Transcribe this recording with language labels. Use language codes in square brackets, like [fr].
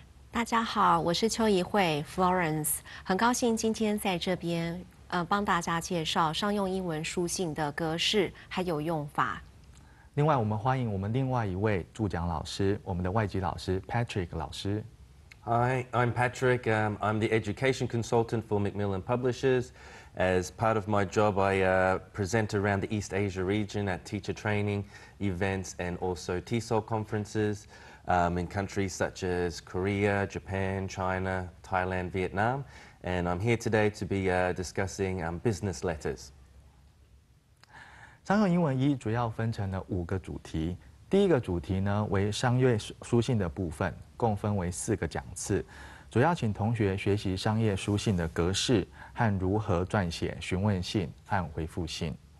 [zh] 大家好，我是邱怡慧 Florence， 很高兴今天在这边帮大家介绍商用英文书信的格式还有用法。另外我们欢迎我们另外一位助讲老师，我们的外籍老师 Patrick 老师。 [en] Hi, I'm Patrick. I'm the education consultant for Macmillan Publishers. As part of my job, I present around the East Asia region at teacher training events and also TESOL conferences in countries such as Korea, Japan, China, Thailand, Vietnam. And I'm here today to be discussing business letters. [zh] 商用英文一主要分成了五个主题。第一个主题呢为商业书信的部分，共分为四个讲次，主要请同学学习商业书信的格式和如何撰写询问信和回复信。